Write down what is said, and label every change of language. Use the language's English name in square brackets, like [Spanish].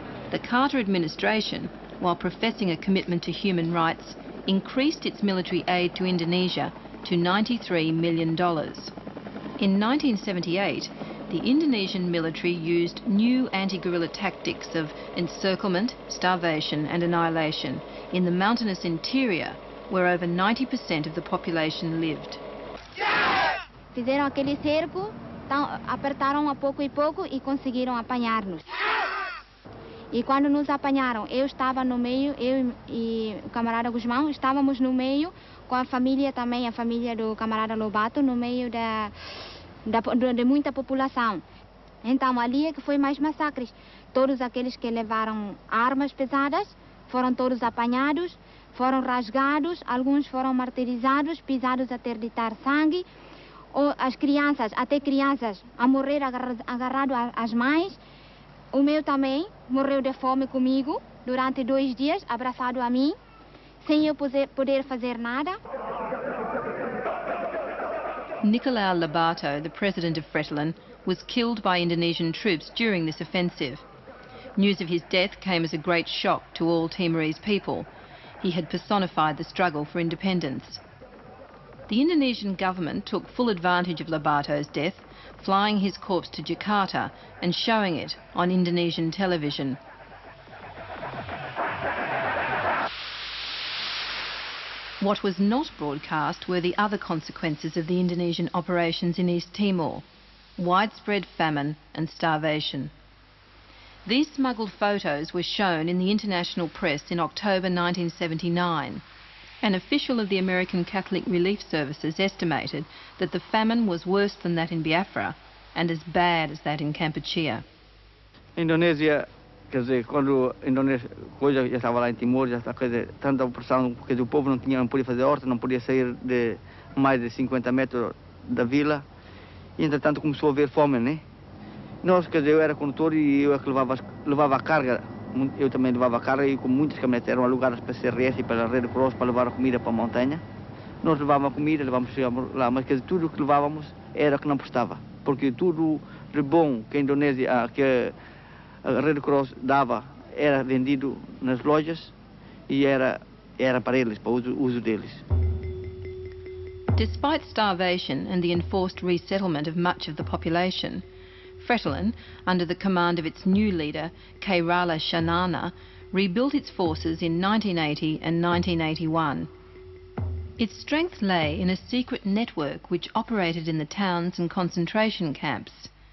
[English] The Carter administration, while professing a commitment to human rights, increased its military aid to Indonesia to $93 million. In 1978, the Indonesian military used new anti-guerrilla tactics of encirclement, starvation and annihilation in the mountainous interior where over 90% of the population lived. [Portuguese] Fizeram aquele cerco, apertaram a pouco e pouco e conseguiram apanhar-nos. E quando nos apanharam, eu estava no meio, eu e o camarada Guzmão, estávamos no meio, com a família também, a família do camarada Lobato, no meio de muita população. Então, ali é que foi mais massacres. Todos aqueles que levaram armas pesadas foram todos apanhados, foram rasgados, alguns foram martirizados, pisados até ditar sangue. Ou as crianças, até crianças, a morrer agarrado às mães. O meu também morreu de fome comigo durante 2 dias, abraçado a mim, sem eu poder fazer nada. [English] Nicolau Lobato, the president of Fretilin, was killed by Indonesian troops during this offensive. News of his death came as a great shock to all Timorese people. He had personified the struggle for independence. The Indonesian government took full advantage of Lobato's death, flying his corpse to Jakarta and showing it on Indonesian television. What was not broadcast were the other consequences of the Indonesian operations in East Timor: widespread famine and starvation. These smuggled photos were shown in the international press in October 1979. An official of the American Catholic Relief Services estimated that the famine was worse than that in Biafra and as bad as that in Kampuchea. [Portuguese] Indonesia, quer dizer, quando Indonesia, coisa já estava lá em Timor, já estava, quer dizer, tanta opressão, porque o povo não podia fazer horta, não podia sair de mais de 50 metros da vila. E, entretanto, começou a haver fome, né? Nós, quer dizer, eu era condutor e eu é que levava a carga. Eu também levava a carga e com muitas caminhonetes eram alugadas para a CRS e para a Rede Cross para levar a comida para a montanha. Nós levávamos a comida, chegávamos lá, mas, quer dizer, tudo o que levávamos era que não prestava. Porque tudo de bom que a Indonésia, que a Rede Cross dava, era vendido nas lojas e era para eles, para o uso deles. [English] Despite starvation and the enforced resettlement of much of the population, Fretilin, under the command of its new leader, Kairala Shanana, rebuilt its forces in 1980 and 1981. Its strength lay in a secret network which operated in the towns and concentration camps.